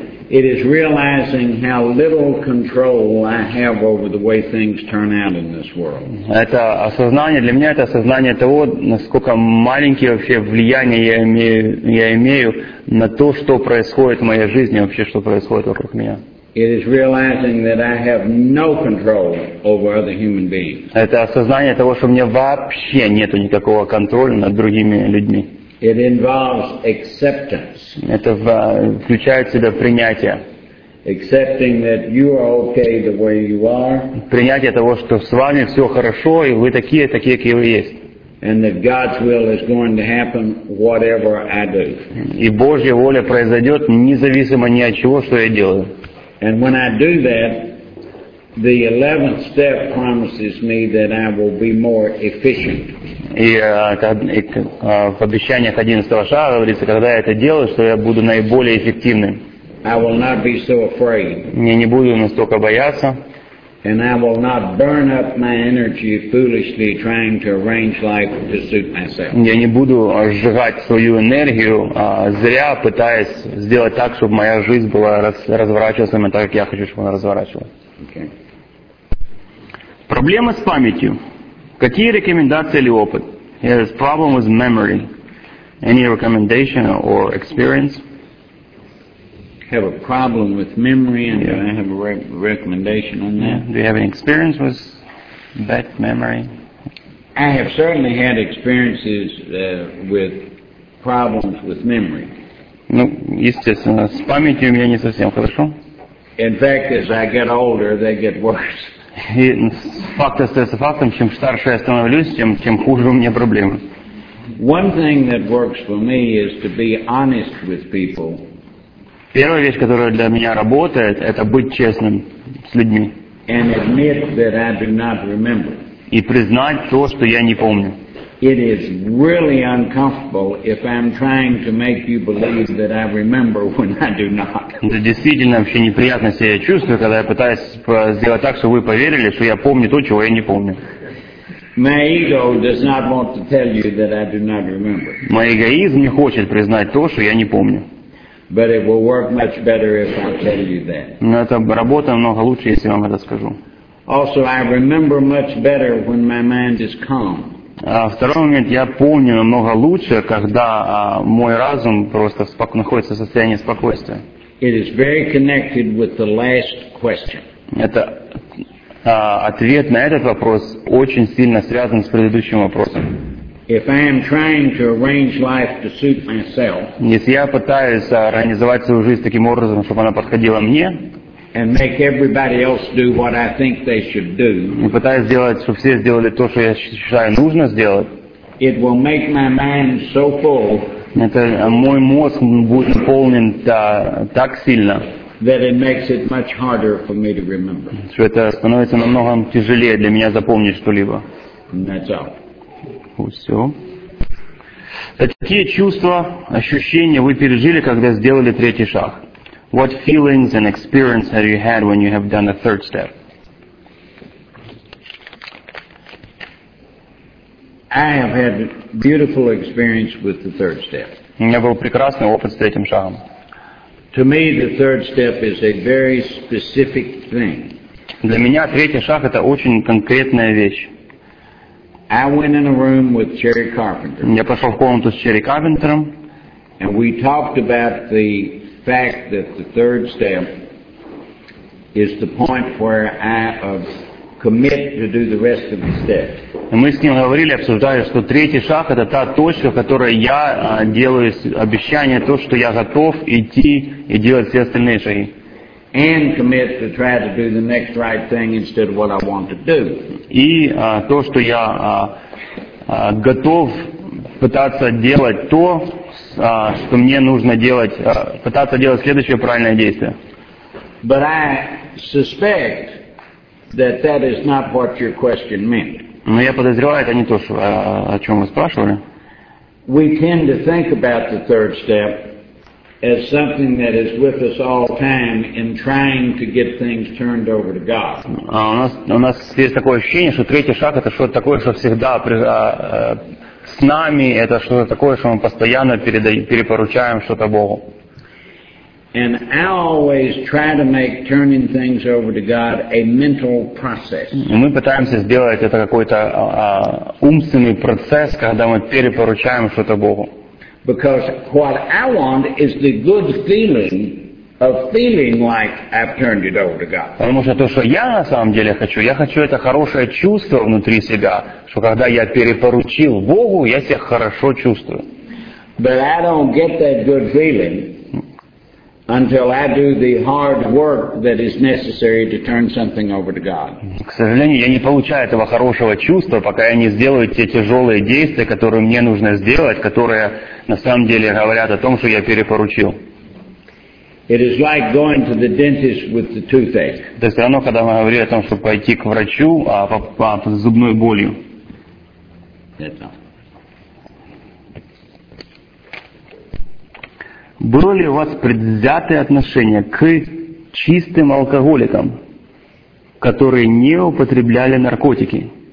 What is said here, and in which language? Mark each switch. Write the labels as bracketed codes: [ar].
[en] It is realizing how little control I have over the way things turn out in this world. [ru] Это осознание для меня, это осознание того, насколько маленькие вообще влияния я имею на то, что происходит в моей жизни, вообще что происходит вокруг меня. [en] It is realizing that I have no control over other human beings. [ru] Это осознание того, что у меня вообще нету никакого контроля над другими людьми. [en] It involves acceptance. [ru] Это включает в себя принятие. [en] Accepting that you are okay the way you are. [ru] Принятие того, что с вами все хорошо, и вы такие, какие вы есть. [en] And that God's will is going to happen whatever I do. [ru] И Божья воля произойдет независимо ни от чего, что я делаю. [en] And when I do that, the 11th step promises me that I will be more efficient. [ru] И в обещаниях 11-го шага говорится, когда я это делаю, что я буду наиболее эффективным. [en] I will not be so afraid. [ru] Я не буду настолько бояться. [en] And I will not burn up my energy foolishly trying to arrange life to suit myself. [ru] Я не буду сжигать свою энергию зря, пытаясь сделать так, чтобы моя жизнь была разворачиваться так, как я хочу, чтобы она разворачивалась. [en] Okay. [ru] Проблемы с памятью. Какие рекомендации или опыт? [en] Yes, problem with memory. Any recommendation or experience? Have a problem with memory and yeah. Do I have a recommendation on that? Do you have any experience with bad memory? I have certainly had experiences with problems with memory. [ru] Ну, естественно, с памятью у меня не совсем хорошо. [en] In fact, as I get older, they get worse. [ru] И факт остается фактом, чем старше я становлюсь, тем хуже у меня проблемы. [en] One thing that works for me is to be honest with people. [ru] Первая вещь, которая для меня работает, это быть честным с людьми. [en] And admit that I do not remember. [ru] И признать то, что я не помню. [en] It is really uncomfortable if I'm trying to make you believe that I remember when I do not. [ru] Это действительно вообще неприятно себя чувствую, когда я пытаюсь сделать так, чтобы вы поверили, что я помню то, чего я не помню. [en] My ego does not want to tell you that I do not remember. [ru] Мой эгоизм не хочет признать то, что я не помню. [en] But it will work much better if I tell you that. [ru] Но это работает намного лучше, если вам это скажу. [en] Also, I remember much better when my mind is calm. [ru] Второй момент, я помню намного лучше, когда мой разум просто находится в состоянии спокойствия. [en] It is very connected with the last question. [ru] Это ответ на этот вопрос очень сильно связан с предыдущим вопросом. [en] If I am trying to arrange life to suit myself, [ru] если я пытаюсь организовать свою жизнь таким образом, чтобы она подходила мне, [en] and make everybody else do what I think they should do. [ru] И пытаюсь сделать, чтобы все сделали то, что я считаю нужно сделать. [en] It will make my mind so full. [ru] Это мой мозг будет наполнен так сильно. [en] That it makes it much harder for me to remember. [ru] Что это становится намного тяжелее для меня запомнить что-либо. Все. Какие чувства, ощущения вы пережили, когда сделали третий шаг? [en] What feelings and experience have you had when you have done the third step? I have had a beautiful experience with the third step. [ru] У меня был прекрасный опыт с третьим шагом. [en] To me, the third step is a very specific thing. [ru] Для меня третий шаг это очень конкретная вещь. [en] I went in a room with Jerry Carpenter. [ru] Я пошел в комнату с Черри Карпентером. [en] And we talked about the fact that the third step is the point where I commit to do the rest of the step. [ru] Мы с ним говорили, обсуждали, что третий шаг это та точка, в которой я делаю обещание, то, что я готов идти и делать все остальные шаги. [en] And commit to try to do the next right thing instead of what I want to do. [ru] И то, что я готов пытаться делать то, что мне нужно делать, пытаться делать следующее правильное действие. [en] But I suspect that that is not what your question meant. [ru] Но я подозреваю, это не то, о чем вы спрашивали. [en] We tend to think about the third step as something that is with us all time in trying to get things turned over to God. [ru] У нас есть такое ощущение, что третий шаг это что-то такое, что всегда с нами, это что-то такое, что мы постоянно перепоручаем что-то Богу. [en] And I always try to make turning things over to God a mental process. [ru] Мы пытаемся сделать это какой-то умственный процесс, когда мы перепоручаем что-то Богу. [en] Because what I want is the good feeling of feeling like I've turned it over to God. [ru] Потому что то, что я на самом деле хочу, я хочу это хорошее чувство внутри себя, что когда я перепоручил Богу, я себя хорошо чувствую. [en] But I don't get that good feeling until I do the hard work that is necessary to turn something over to God. [ru] К сожалению, я не получаю этого хорошего чувства, пока я не сделаю те тяжелые действия, которые мне нужно сделать, которые на самом деле говорят о том, что я перепоручил. [en] It is like going to the dentist with the toothache. [ru] То есть, равно, когда мы говорили о том, чтобы пойти к врачу по зубной болью. Это. Было ли у вас предвзятое отношение к чистым алкоголикам, которые не употребляли наркотики?